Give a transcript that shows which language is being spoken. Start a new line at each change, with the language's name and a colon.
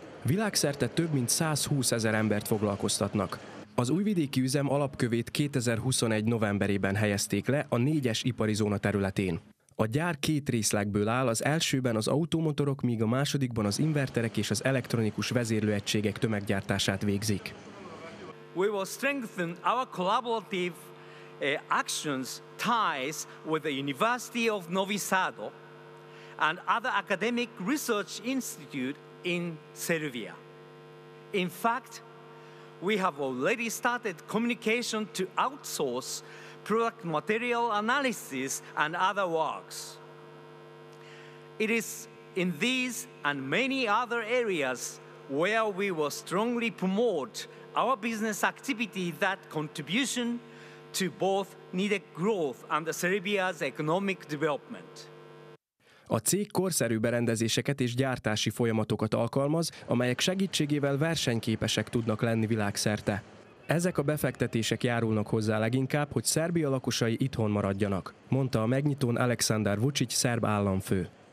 Hungarian: Világszerte több mint 120 ezer embert foglalkoztatnak. Az újvidéki üzem alapkövét 2021. novemberében helyezték le a 4-es ipari zóna területén. A gyár két részlegből áll, az elsőben az automotorok, míg a másodikban az inverterek és az elektronikus vezérlőegységek tömeggyártását végzik.
English: We will strengthen our collaborative actions ties with the University of Novi Sad and other academic research institute in Serbia. In fact, we have already started communication to outsource product material analysis and other works. It is in these and many other areas where we will strongly promote our business activity that contribution to both needed growth and the Serbia's economic development.
Hungarian: A cég korszerű berendezéseket és gyártási folyamatokat alkalmaz, amelyek segítségével versenyképesek tudnak lenni világszerte. Ezek a befektetések járulnak hozzá leginkább, hogy Szerbia lakosai itthon maradjanak, mondta a megnyitón Alexander Vučić, szerb államfő.